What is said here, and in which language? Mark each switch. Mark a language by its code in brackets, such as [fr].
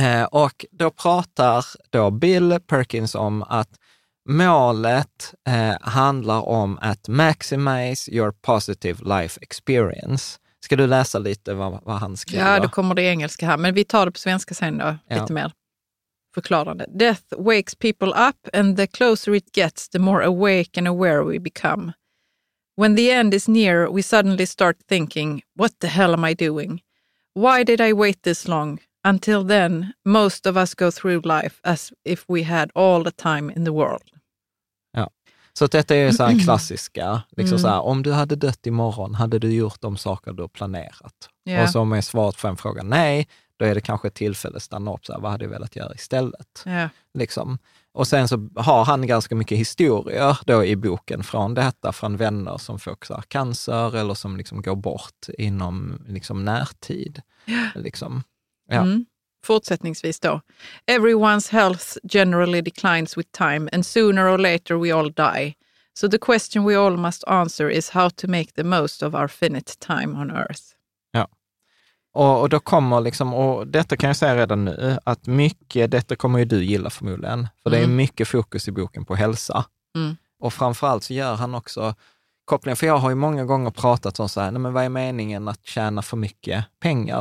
[sv] Och då pratar då Bill Perkins om att målet handlar om att [en] maximize your positive life experience. [sv] Ska du läsa lite vad han skriver? Ja, då kommer det engelska här. Men vi tar det på svenska sen då, lite mer förklarande. [en] Death wakes people up and the closer it gets, the more awake and aware we become. When the end is near, we suddenly start thinking, what the hell am I doing? Why did I wait this long? Until then, most of us go through life as if we had all the time in the world. [sv] Ja, så detta är ju så här klassiska. Liksom så här, om du hade dött imorgon, hade du gjort de saker du planerat? [en] Yeah. [sv] Och så om jag svarat på en fråga nej, då är det kanske ett tillfälle att stanna upp. Så här, vad hade du velat göra istället? [en] Yeah. [sv] Liksom. Och sen så har han ganska mycket historier då i boken från detta, från vänner som får cancer eller som liksom går bort inom liksom närtid. [en] Yeah. [sv] Liksom. Ja. Mm. Fortsättningsvis då. [en] Everyone's health generally declines with time and sooner or later we all die. So the question we all must answer is how to make the most of our finite time on earth. [sv] Ja. Och då kommer liksom, och detta kan jag säga redan nu, att mycket, detta kommer ju du gilla förmodligen. För det är mycket fokus i boken på hälsa. Mm. Och framförallt så gör han också kopplingen, för jag har ju många gånger pratat om så här, nej men vad är meningen att tjäna för mycket pengar?